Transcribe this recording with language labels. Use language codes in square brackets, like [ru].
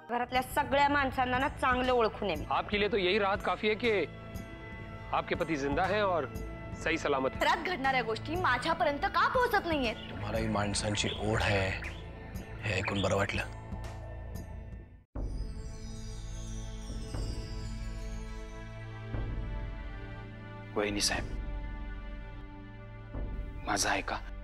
[mr] त्या सगळ्या माणसांना ना चांगले ओळखून येईल. [hi] आपके लिए तो यही राहत काफी है कि आपके पति जिंदा है और सही सलामत है. [mr] रात घडणाऱ्या गोष्टी माझ्यापर्यंत का पोहोचत नाहीयेत? तुम्हाला ही माणसांची ओढ है हे ऐकून बरं वाटलं. वहिनी साहेब माझा ऐका.